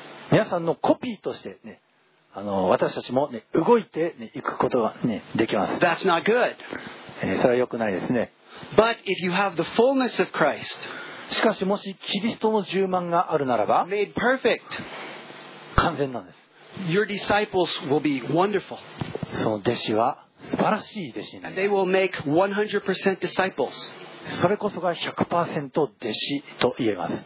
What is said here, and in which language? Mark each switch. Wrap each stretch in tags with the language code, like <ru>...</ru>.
<ja>皆さんのコピーとして、ね、私たちも、ね、動いて、ね、いくことが、ね、できます。</ja> <en>That's not good.</en> <ja>それは良くないですね。</ja> <en>But if you have the fullness of Christ,</en> <ja>しかしもしキリストの充満があるならば、</ja> <en>made perfect.</en> <ja>完全なんです。</ja> <en>your disciples will be wonderful.</en> <ja>その弟子は素晴らしい弟子になります。</ja> <en>And they will make 100% disciples.</en> <ja>それこそが 100% 弟子と言えます。</ja>